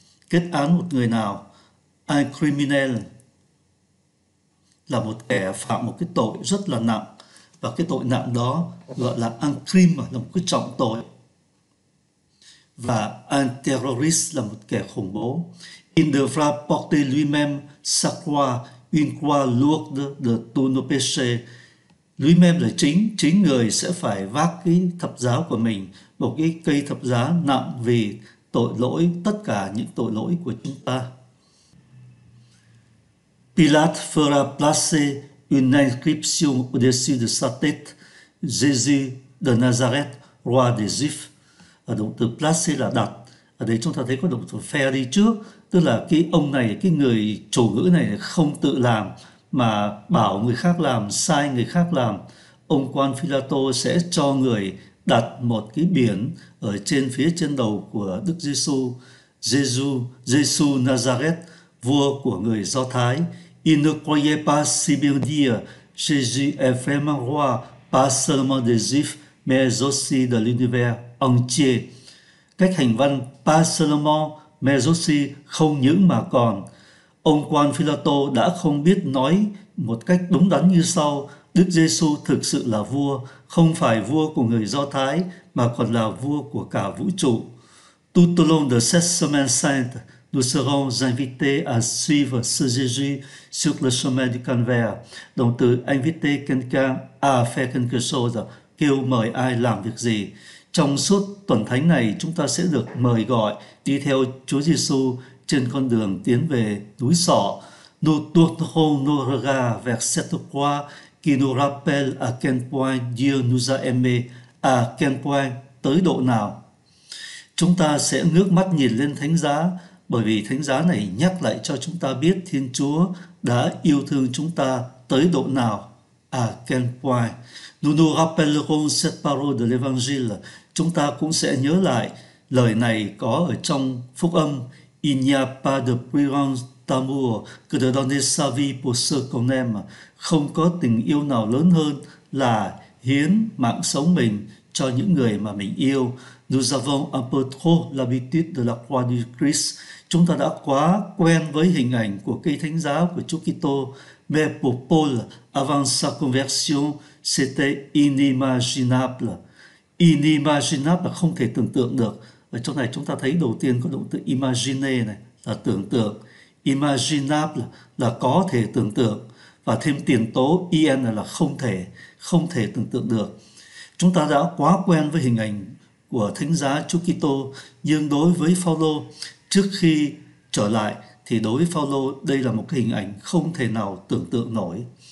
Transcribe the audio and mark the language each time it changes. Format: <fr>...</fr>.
<vi>Kết án một người nào. Un criminel là một kẻ phạm một cái tội rất là nặng, và cái tội nặng đó gọi là un crime, là một cái trọng tội. Và un terroriste là một kẻ khủng bố.</vi> <fr>Il devra porter lui-même sa croix, une croix lourde de tous nos péchés.</fr> <vi>Lui-même là chính người sẽ phải vác cái thập giá của mình, một cái cây thập giá nặng vì tội lỗi, tất cả những tội lỗi của chúng ta.</vi> <fr>Pilate fera placer une inscription au-dessus de sa tête, Jésus de Nazareth, roi des Juifs.</fr> <vi>Động từ placer là đặt. Ở đây chúng ta thấy có động từ faire đi trước, tức là cái ông này, cái người chủ ngữ này không tự làm mà bảo người khác làm, sai người khác làm. Ông quan Pilato sẽ cho người đặt một cái biển ở trên phía trên đầu của Đức Giêsu, Giêsu Nazareth, vua của người Do Thái.</vi> <fr>Il ne croyait pas si bien dire, Jésus est vraiment roi, pas seulement des Juifs, mais aussi de l'univers entier.</fr> <vi>Cách hành văn</vi> <fr>pas seulement, mais aussi,</fr> <vi>không những mà còn. Ông quan Philato đã không biết nói một cách đúng đắn như sau: Đức Giêsu thực sự là vua, không phải vua của người Do Thái, mà còn là vua của cả vũ trụ.</vi> <fr>Tout au long de cette semaine sainte, nous serons invités à suivre ce Jésus sur le chemin du calvaire.</fr> <vi>Donc, từ</vi> <fr>inviter quelqu'un à faire quelque chose,</fr> <vi>kêu mời ai làm việc gì. Trong suốt tuần thánh này, chúng ta sẽ được mời gọi đi theo Chúa Giêsu trên con đường tiến về núi sọ.</vi> <fr>Nous tournerons nos regards vers cette croix qui nous rappelle à quel point Dieu nous a aimés, à quel point,</fr> <vi>tới độ nào. Chúng ta sẽ ngước mắt nhìn lên thánh giá, bởi vì thánh giá này nhắc lại cho chúng ta biết Thiên Chúa đã yêu thương chúng ta tới độ nào.</vi> <fr>À quel point. Nous nous rappellerons cette parole de l'évangile.</fr> <vi>Chúng ta cũng sẽ nhớ lại lời này có ở trong phúc âm.</vi> <fr>Il n'y a pas de plus grand amour que de donner sa vie pour ceux qu'on aime.</fr> <vi>Không có tình yêu nào lớn hơn là hiến mạng sống mình cho những người mà mình yêu.</vi> <fr>Nous avons un peu trop l'habitude de la croix du Christ.</fr> <vi>Chúng ta đã quá quen với hình ảnh của cây thánh giá của Chúa Kitô.</vi> <fr>Mais pour Paul, avant sa conversion, c'était inimaginable.</fr> <vi>Inimaginable là không thể tưởng tượng được. Ở trong này chúng ta thấy đầu tiên có động từ imagine này là tưởng tượng. Imaginable là có thể tưởng tượng. Và thêm tiền tố en là không thể tưởng tượng được. Chúng ta đã quá quen với hình ảnh của Thánh giá Chúa Kitô, nhưng đối với Phaolô trước khi trở lại thì đối với Phaolô đây là một cái hình ảnh không thể nào tưởng tượng nổi.</vi>